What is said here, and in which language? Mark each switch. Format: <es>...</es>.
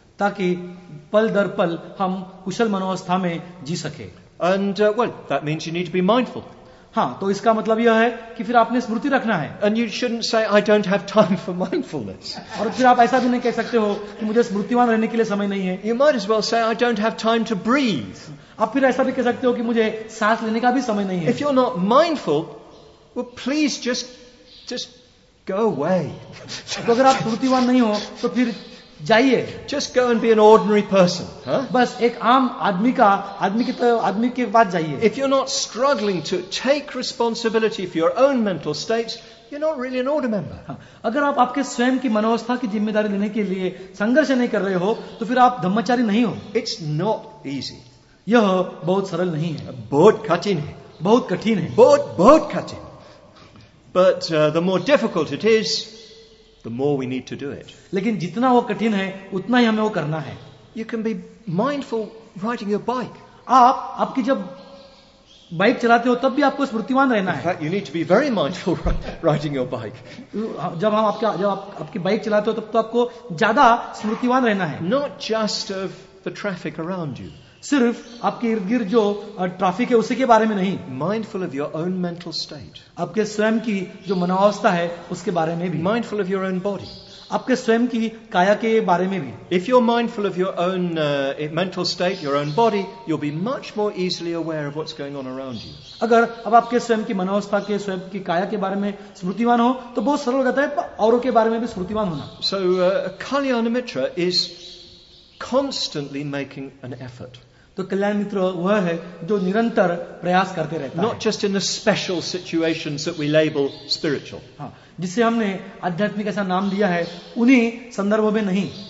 <hi>ताकि पल दर पल हम कुशल मनोवस्था में जी सके.</hi> <en>And well, that means you need to be mindful.</en> <hi>हाँ, तो इसका मतलब यह है कि फिर आपने स्मृति रखना है.</hi> <en>And you shouldn't say, I don't have time for mindfulness.</en> <hi>और फिर आप ऐसा भी नहीं कह सकते हो कि मुझे स्मृतिवान रहने के लिए समय नहीं है.</hi> <en>You might as well say, I don't have time to breathe.</en> <hi>आप फिर ऐसा भी कह सकते हो कि मुझे सांस लेने का भी समय नहीं है.</hi> <en>If you're not mindful, well, please just go away.</en> <hi>तो अगर आप स्मृतिवान नहीं हो तो फिर जाइए.</hi> <en>Just go and be an ordinary person. Huh?</en> <hi>बस एक आम आदमी का आदमी की तो आदमी के पास जाइए.</hi> <en>If you're not struggling to take responsibility for your own mental states, you're not really an order member.</en> <hi>अगर आप आपके स्वयं की मनोवस्था की जिम्मेदारी लेने के लिए संघर्ष नहीं कर रहे हो तो फिर आप धम्मचारी नहीं हो.</hi> <en>It's not easy.</en> <hi>यह बहुत सरल नहीं है. बहुत कठिन है. बहुत कठिन है. बहुत कठिन.</hi> <en>But the more difficult it is, the more we need to do it.</en> <hi>लेकिन जितना वो कठिन है उतना ही हमें वो करना है.</hi> <en>You can be mindful riding your bike.</en> <hi>आपकी जब बाइक चलाते हो तब भी आपको स्मृतिवान रहना है.</hi> <en>In fact, you need to be very mindful riding your bike.</en> <hi>जब आपकी बाइक चलाते हो तब तो आपको ज्यादा स्मृतिवान रहना है.</hi> <en>Not just of the traffic around you.</en> <hi>सिर्फ आपके इर्द गिर्द जो ट्रैफिक है उसी के बारे में नहीं.</hi> <en>Mindful of your own mental state.</en> <hi>आपके स्वयं की जो मनोवस्था है उसके बारे में भी.</hi> <en>Mindful of your own body.</en> <hi>आपके स्वयं की काया के बारे में भी.</hi> <en>If you are mindful of your own mental state, your own body, you will be much more easily aware of what's going on around you.</en> <hi>अगर अब आपके स्वयं की मनोवस्था के स्वयं की काया के बारे में स्मृतिवान हो तो बहुत सरल हो जाता है औरों के बारे में भी स्मृतिवान होना.</hi> <en>So kalyan mitra is constantly making an effort.</en> <hi>तो कल्याण मित्र वह है जो निरंतर प्रयास करते रहता है.</hi> <en>Not just in the special situations that we label spiritual.</en> <hi>जिसे हमने आध्यात्मिक ऐसा नाम दिया है उन्हीं संदर्भों में नहीं.</hi>